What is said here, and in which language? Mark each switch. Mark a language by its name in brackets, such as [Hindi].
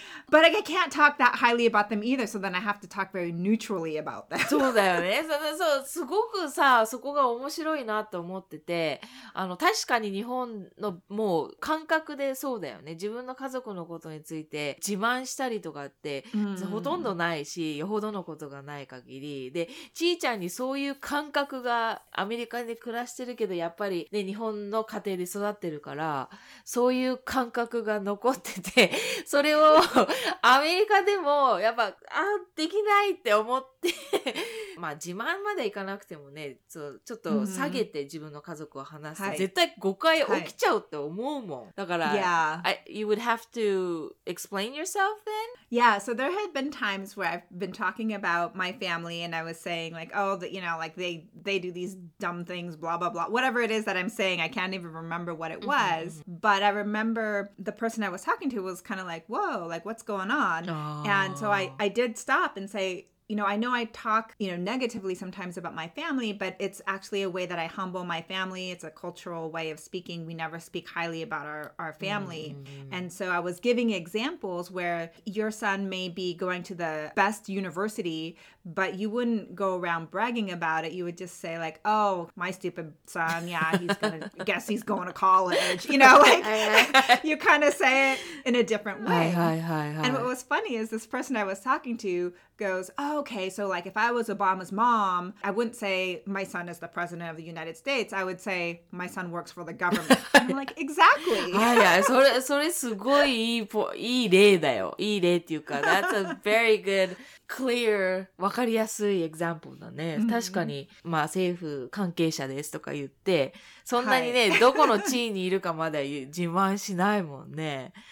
[English] But I can't talk that highly about them either, so then I have to talk very neutrally about them. [Japanese] そうだよね。そう、すごくさ、そこが面白いなと思ってて、確かに日本のもう感覚でそうだよね。自分の家族のことについて自慢したりとかって、ほとんどないし、よほどのことがない限り。で、ちーちゃんにそういう感覚がアメリカで暮らしてるけど、やっぱりね、日本の家庭で育ってるから、そういう感覚が残ってて、それをアメリカでもやっぱあできないって思ってまあ自慢までいかなくてもね、そうちょっと下げて自分の家族を話すと絶対誤解起きちゃうって思うもん。だから、 [English] You would have to explain yourself then? Yeah, so there had been times where I've been talking about my family and I was saying like, oh, the, you know, like they do these dumb things, blah, blah, blah. Whatever it is that I'm saying, I can't even remember what it was. But I remember the person I was talking to was kind of like, whoa, like what's going on? And so I did stop and say,You know, I know I talk, you know, negatively sometimes about my family, but it's actually a way that I humble my family. It's a cultural way of speaking. We never speak highly about our family. And so I was giving examples where your son may be going to the best university, but you wouldn't go around bragging about it. You would just say like, oh, my stupid son. Yeah, he's going to, guess he's going to college. You know, like you kind of say it in a different way. And what was funny is this person I was talking to goes, oh,okay, so like if I was Obama's mom, I wouldn't say my son is the president of the United States. I would say my son works for the government. I'm like, exactly. Yeah, yeah. [Japanese] それすごいいい例だよ。いい例っていうか、 [English] that's a very good, clear, [Japanese] わかりやすい [English] example [Japanese] だね。確かに、まあ政府関係者ですとか言って、そんなにね、どこの地位にいるかまで自慢しないもんね。